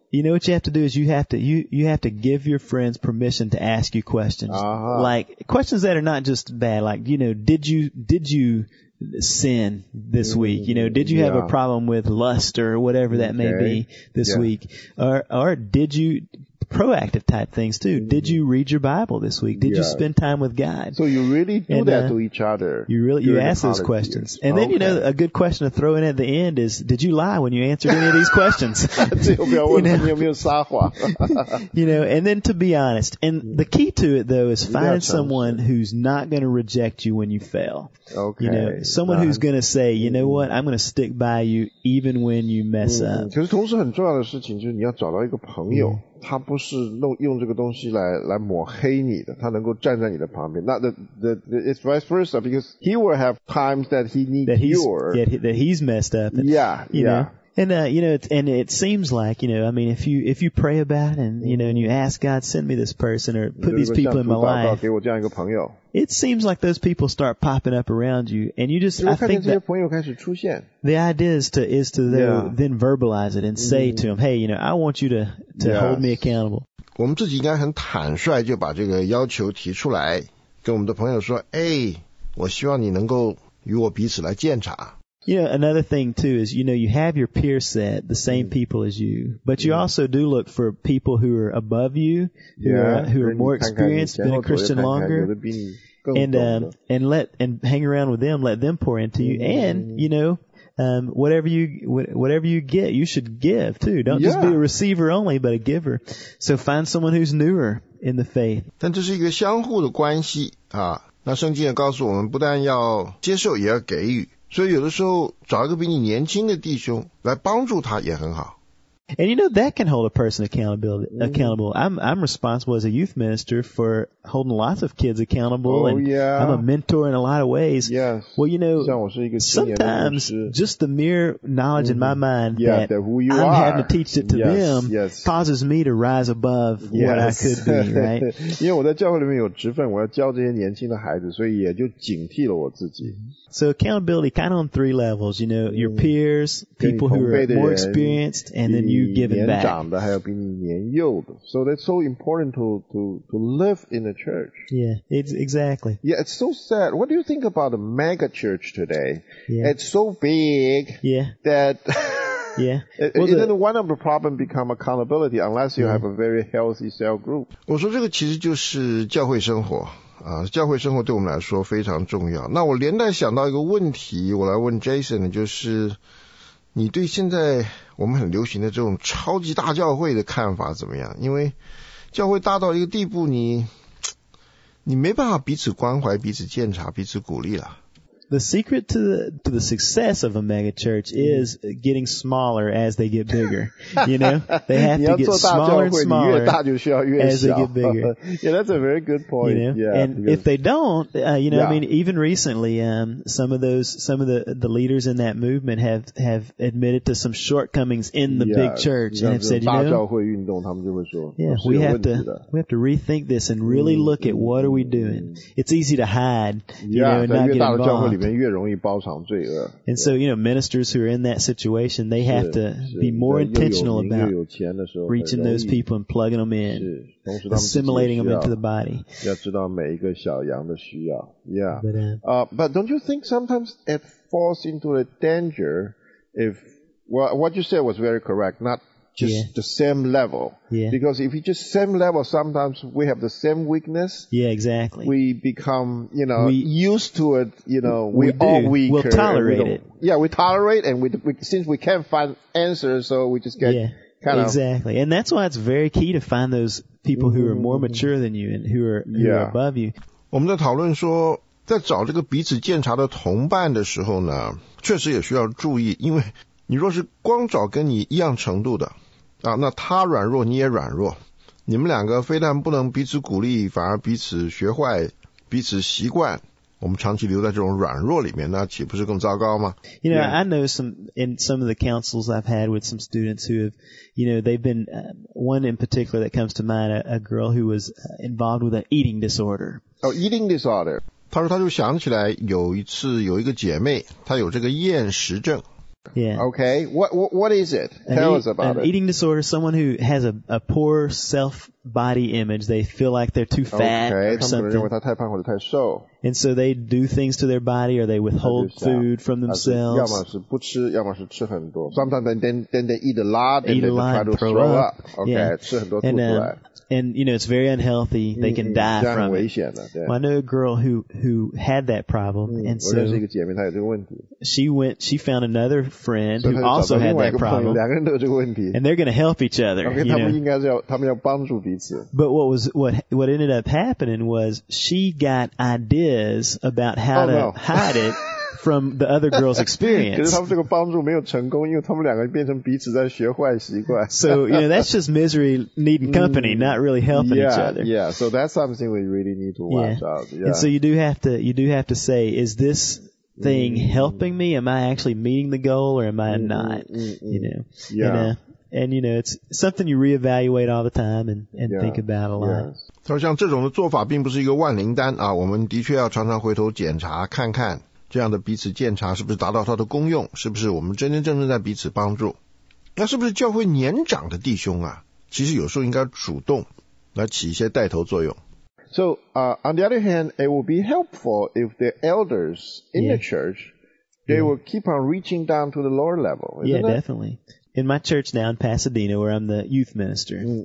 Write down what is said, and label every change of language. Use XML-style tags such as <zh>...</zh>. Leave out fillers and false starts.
<en>You know what you have to do is you have to give your friends permission to ask you questions. Uh-huh. Like questions that are not just bad, like, you know, did you sin this week? You know, did you have a problem with lust or whatever that may be this week? Or did you proactive type things too? Did you read your Bible this week? Did you spend time with God? So you really do that to each other. You ask those questions. And then, you know, a good question to throw in at the end is, did you lie when you answered any of these questions? you know, and then to be honest, and the key to it though is finding someone who's not going to reject you when you fail. Okay. You know, someone who's going to say, you know what, I'm going to stick by you even when you mess up.</en> <zh>可是同时很重要的事情就是你要找到一个朋友。他不是用这个东西来抹黑你的，他能够站在你的旁边。那</zh> <en>the it's vice versa because he will have times that he needs cure. That he's messed up. And, yeah, you yeah. know? And you know, and it seems like, you know, I mean, if you pray about it and you know, and you ask God, send me this person or put these people in my life.</en> <zh>给我这样一个朋友。</zh> <en>It seems like those people start popping up around you, and you just I think that</en> <zh>这些朋友开始出现。</zh> <en>The idea is to then verbalize it and say to him, hey, you know, I want you to hold me accountable.</en> <zh>我们自己应该很坦率就把这个要求提出来，跟我们的朋友说，哎，我希望你能够与我彼此来鉴察。</zh> <en>You know, another thing too is, you know, you have your peer set, the same people as you, but you also do look for people who are above you, who are more experienced, been a Christian longer, and let, and hang around with them, let them pour into you, and, you know, whatever you get, you should give too. Don't just be a receiver only, but a giver. So find someone who's newer in the faith.</en> <zh>但这是一个相互的关系啊。那圣经也告诉我们，不但要接受，也要给予。所以有的时候找一个比你年轻的弟兄来帮助他也很好。</zh> <en>And you know that can hold a person accountable. I'm responsible as a youth minister for holding lots of kids accountable, and I'm a mentor in a lot of ways. Yes. Well, you know,</en> <zh>像我是一个青年的牧师,</zh> <en>sometimes just the mere knowledge in my mind that who you I'm are. Having to teach it to them causes me to rise above what I could be, right?</en> <zh>因为我在教会里面有职分，我要教这些年轻的孩子，所以也就警惕了我自己。</zh> <en>So accountability kind of on three levels, you know, your peers, people who are more experienced, and then you giving back.</en> <zh>比你年长的还有比你年幼的。</zh> <en>So that's so important to live in the church. Yeah, it's exactly. Yeah, it's so sad. What do you think about the mega church today? Yeah. It's so big that... yeah. Well, isn't one of the problems become accountability unless you have a very healthy cell group?</en> <zh>我说这个其实就是教会生活。啊，教会生活对我们来说非常重要。那我连带想到一个问题，我来问 Jason 的，就是你对现在我们很流行的这种超级大教会的看法怎么样？因为教会大到一个地步，你没办法彼此关怀、彼此鉴察、彼此鼓励了。</zh> <en>The secret to the success of a mega church is getting smaller as they get bigger. You know, they have to get smaller and smaller.</en> <zh>你越大就需要越小。</zh> <en>As they get bigger. Yeah, that's a very good point. You know? Yeah. And if they don't, I mean, even recently, some of the leaders in that movement have admitted to some shortcomings in the big church and have said, you know,</en> <zh>大教会运动，他们就会说，</zh> <en>yeah, we have to rethink this and really look at what are we doing. It's easy to hide, you know, and not get involved.</en> <zh>在越大的教会里面越容易包藏罪恶。</zh> <en>And so, you know, ministers who are in that situation, they have to be more intentional about reaching those people and plugging them in, assimilating them into the body.</en> <zh>要知道每一个小羊的需要。</zh> <en>Yeah. But don't you think sometimes it falls into a danger if, well, what you said was very correct, not just the same level. Yeah. Because if you just same level, sometimes we have the same weakness. Yeah, exactly. We become, you know, used to it, you know, we all weaker. We'll tolerate it. Yeah, we tolerate and we, since we can't find answers, so we just get kind of. Exactly. And that's why it's very key to find those people who are more mature than you and who are above you.</en> <zh>我们在讨论说在找这个彼此鉴察的同伴的时候呢，确实也需要注意，因为你若是光找跟你一样程度的啊，那他软弱你也软弱，你们两个非但不能彼此鼓励，反而彼此学坏，彼此习惯，我们长期留在这种软弱里面，那岂不是更糟糕吗？</zh> <en>You know, I know some of the counsels I've had with some students who have, you know, they've been, one in particular that comes to mind, a girl who was involved with an eating disorder. Oh, eating disorder.</en> <zh>她说她就想起来有一次有一个姐妹，她有这个厌食症。</zh> <en>Yeah. Okay. What is it? Tell us about it. An eating disorder, someone who has a poor self body image. They feel like they're too fat or something.</en> <zh>Okay. 他们认为他太胖或者太瘦。</zh> <en>And so they do things to their body or they withhold food from themselves.</en> <zh>要么是不吃，要么是吃很多。</zh> <en>Sometimes then they eat a lot and they try to throw up. Okay.</en> <zh>吃很多吐出来。</zh> <en>And you know, it's very unhealthy. They can die from it.</en> <zh>危险的。</zh> <en>Well, I know a girl who had that problem, and so</en> <zh>我认识一个姐妹，她有这个问题。</zh> <en>She found another friend who also had that problem.</en> <zh>两个人都有这个问题。</zh> <en>And they're going to help each other.</en> <zh>Okay, 他们应该是要，他们要帮助彼此。</zh> <en>But what ended up happening was she got ideas about how to hide it. From the other girl's experience.</en> <zh>可是他们这个帮助没有成功，因为他们两个变成彼此在学坏习惯。</zh> <en>So, you know, that's just misery needing company, not really helping each other. Yeah, so that's something we really need to watch out. Yeah. And so you do have to say, is this thing helping me? Am I actually meeting the goal or am I not? You know? Yeah. And you know, it's something you reevaluate all the time and think about a lot. Yeah.</en> <zh>所以像这种的做法并不是一个万灵丹啊，我们的确要常常回头检查看看。这样的彼此鉴察是不是达到它的功用？是不是我们真真正正在彼此帮助？那是不是教会年长的弟兄啊？其实有时候应该主动来起一些带头作用。</zh> <en>So, on the other hand, it would be helpful if the elders in the church, they will keep on reaching down to the lower level. Yeah, definitely. in my church now in Pasadena where I'm the youth minister.</en>